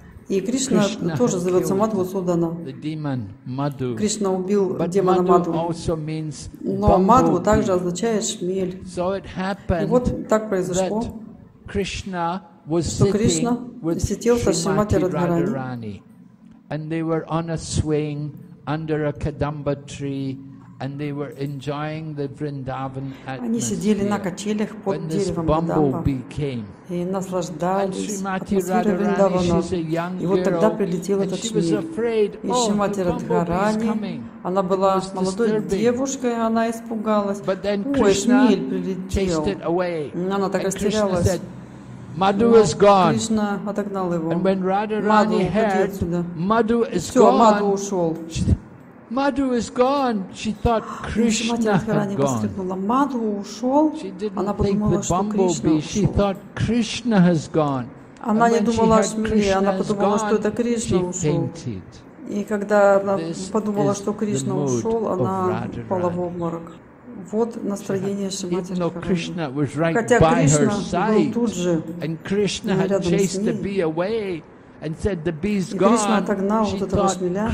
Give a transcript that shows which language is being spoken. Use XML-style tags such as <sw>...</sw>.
<ru>И Кришна тоже зовется Мадхусудана.</ru> <en>The demon Madhu.</en> <ru>Кришна убил демона Мадху.</ru> <en>But Madhu also means bumblebee.</en> <ru>Но Мадху также означает шмель.</ru> <en>So it happened.</en> <ru>И вот так произошло.</ru> <en>That Krishna was sitting with Shrimati Radharani, and they were on a swing under a kadamba tree. And they were enjoying the Vrindavan atmosphere. When this bumblebee came, and Shrimati Radharani, she's a young girl, and she was afraid. Oh, the bumblebee</en> <ru>Она была молодой девушкой, она испугалась.</ru> <en>But then</en> <ru>шмель прилетел. Она так растерялась. Кришна отогнал его.</ru> <en>And when Radharani heard, Madhu is gone.</en> <ru>Мадху ушел.</ru> <en>Madhu is gone. She thought Krishna had gone. She didn't think the bumblebee. She thought Krishna has gone. And when she heard Krishna has gone, she fainted. She fainted.</en> <ru>И когда она подумала, что Кришна ушел, она упала в обморок. Вот настроение Шримати Радхарани. Хотя Кришна был тут же,</ru> <en>and Krishna had chased the bee away. And said the bee's gone.</en> <ru>Кришна отогнал вот этого шмеля.</ru>